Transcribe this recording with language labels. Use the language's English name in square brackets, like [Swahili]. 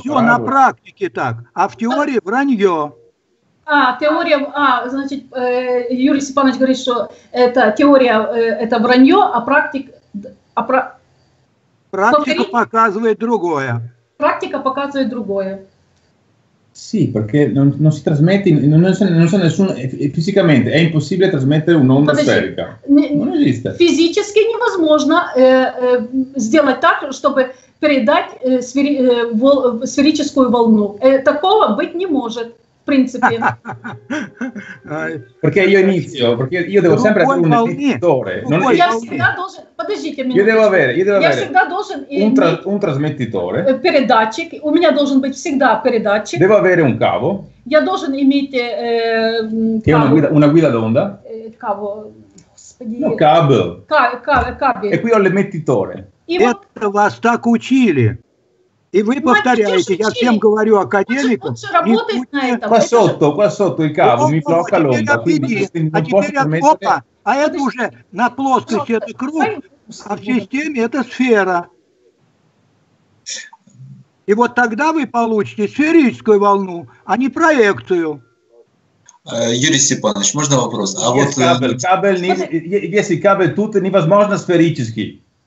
[Russian] все на практике так, а в теории вранье. А, теория, значит, Юрий Степанович говорит, что это теория, это вранье, а практик... Практика показывает другое. Практика показывает другое. [Italian] Sì, perché non si trasmette, non c'è nessun fisicamente è impossibile trasmettere un'onda sferica. Non esiste. [Russian] Физически невозможно сделать так, чтобы передать сферическую волну. Такого быть не может, в принципе. [Italian] Perché io inizio, perché io devo sempre avere un emettitore. Non è [Russian] Подождите минуту. Я всегда должен иметь [Italian] un transmettitore. [Russian] Передатчик. У меня должен быть всегда передатчик. [Italian] Devo avere un cavo. [Russian] Я должен иметь [Italian] cavo. Una guida d'onda. Cavo. [English] No, cable. Cable. [Italian] E qui ho l'emettitore. [Russian] Это вас так учили. И вы повторяете, я всем говорю академику. [Italian] Qua sotto il cavo mi blocca l'onda. [Russian] А это уже на плоскости это круг, а в системе это сфера. И вот тогда вы получите сферическую волну, а не проекцию. Юрий Степанович, можно вопрос? А вот если кабель тут, невозможно сферический.